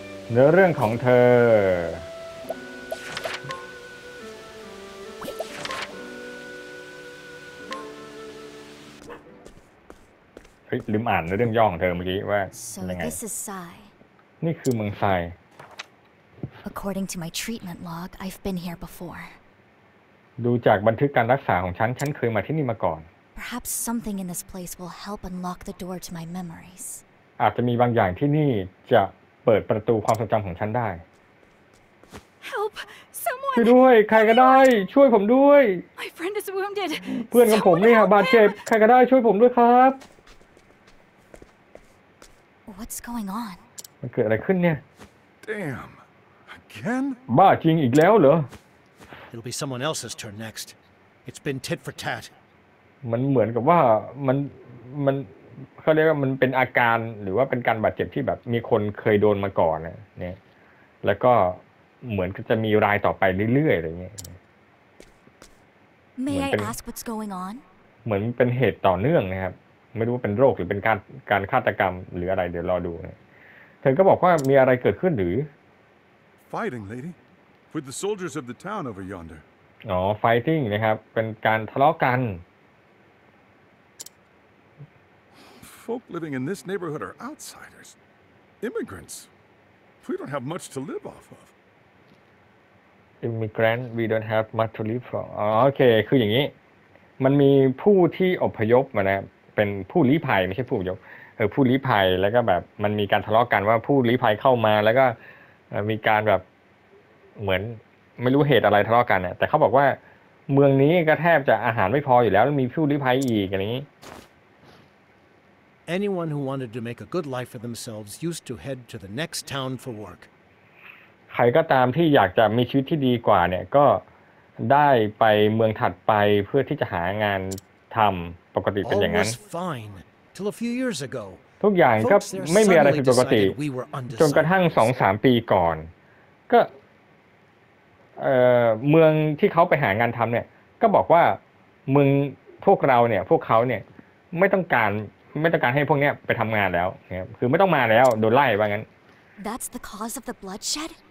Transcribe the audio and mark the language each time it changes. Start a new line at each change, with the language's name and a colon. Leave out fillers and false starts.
Thai: เนื้อเรื่องของเธอเฮ้ยลืมอ่านเรื่องย่องเธอเมื่อกี้ว่ายังไงนี่คือเมืองไซ
English: According to my treatment log I've been here before
Thai: ดูจากบันทึกการรักษาของฉันเคยมาที่นี่มาก่อน
English: Perhaps something in this place will help unlock the door to my memories
Thai: อาจจะมีบางอย่างที่นี่จะเปิดประตูความทรงจำของฉันได้
English: Help someone
Thai: ช่วยด้วยใครก็ได้ช่วยผมด้วย
English: My friend is wounded
Thai: เพื่อนของผมนี่ครับบาดเจ็บใครก็ได้ช่วยผมด้วยครับ
English: What's going on
Thai: มันเกิดอะไรขึ้นเนี่ย
English: Damn. Again?
Thai: บ้าจริงอีกแล้วเหรอ
English: It'll be someone else's turn next. It's been tit for tat.
Thai: มันเหมือนกับว่ามันเขาเรียกว่ามันเป็นอาการหรือว่าเป็นการบาดเจ็บที่แบบมีคนเคยโดนมาก่อนเนี่ยแล้วก็เหมือนจะมีรายต่อไปเรื่อยๆอะไรเงี้ย
English: May I ask what's going on?
Thai: เหมือนเป็นเหตุต่อเนื่องนะครับไม่รู้ว่าเป็นโรคหรือเป็นการฆาตกรรมหรืออะไรเดี๋ยวรอดูเธอก็บอกว่ามีอะไรเกิดขึ้นหรือ
English: Fighting lady with the soldiers of the town over yonder
Thai: อ๋อ fighting นะครับเป็นการทะเลาะกัน
English: Folk living in this neighborhood are outsiders immigrants we don't have much to live off of immigrant we don't have much to live from
Thai: โอเคคืออย่างนี้มันมีผู้ที่อพยพมานะเป็นผู้ลี้ภัยไม่ใช่ผู้อพยพผู้ลี้ภัยแล้วก็แบบมันมีการทะเลาะกันว่าผู้ลี้ภัยเข้ามาแล้วก็มีการแบบเหมือนไม่รู้เหตุอะไรทะเลาะกันนะแต่เขาบอกว่าเมืองนี้ก็แทบจะอาหารไม่พออยู่แล้วมีผู้ลี้ภัยอีกอย่างนี้
English: anyone who wanted to make a good life for themselves used to head to the next town for work
Thai: ใครก็ตามที่อยากจะมีชีวิตที่ดีกว่าเนี่ยก็ได้ไปเมืองถัดไปเพื่อที่จะหางานทำปกติเป็นอย่างนั้น
English: fine, till a few years ago,
Thai: ทุกอย่างก็ไม่มีอะไรผิดปกติจนกระทั่ง 2-3 ปีก่อนก็เมืองที่เขาไปหางานทำเนี่ยก็บอกว่าเมืองพวกเราเนี่ยพวกเขาเนี่ยไม่ต้องการให้พวกเนี้ยไปทำงานแล้วเนี่ยคือไม่ต้องมาแล้วโดนไล่ว่างั้น
English: That's the cause of the bloodshed